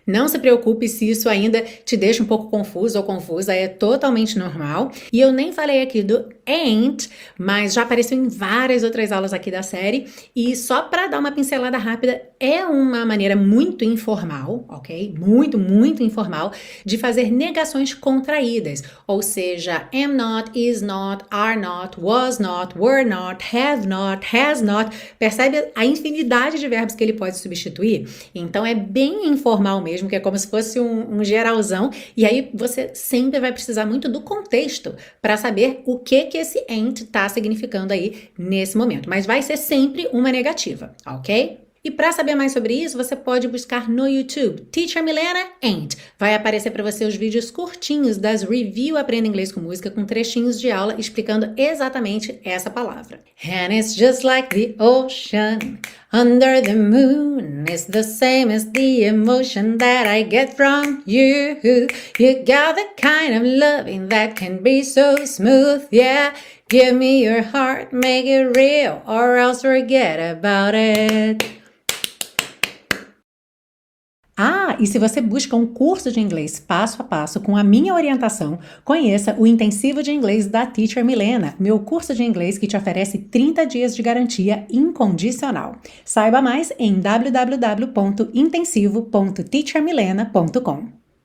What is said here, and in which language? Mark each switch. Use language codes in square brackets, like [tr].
[pt] Não se preocupe se isso ainda te deixa um pouco confuso ou confusa, é totalmente normal. E eu nem falei aqui do ain't, mas já apareceu em várias outras aulas aqui da série. E só para dar uma pincelada rápida, é uma maneira muito informal, ok? Muito, muito informal, de fazer negações contraídas. Ou seja, [en] am not, is not, are not, was not, were not, have not, has not. [pt] Percebe a infinidade de verbos que ele pode substituir? Então é bem informal mesmo, que é como se fosse um geralzão. E aí você sempre vai precisar muito do contexto para saber o que esse ain't está significando aí nesse momento. Mas vai ser sempre uma negativa, ok? E para saber mais sobre isso, você pode buscar no YouTube, Teacher Milena Ain't. Vai aparecer para você os vídeos curtinhos das Review Aprenda Inglês com Música, com trechinhos de aula explicando exatamente essa palavra. [en] And it's just like the ocean under the moon. It's the same as the emotion that I get from you. You got the kind of loving that can be so smooth, yeah. Give me your heart, make it real, or else forget about it. [pt] Ah, e se você busca um curso de inglês passo a passo com a minha orientação, conheça o Intensivo de Inglês da Teacher Milena, meu curso de inglês que te oferece 30 dias de garantia incondicional. Saiba mais em www.intensivo.teachermilena.com.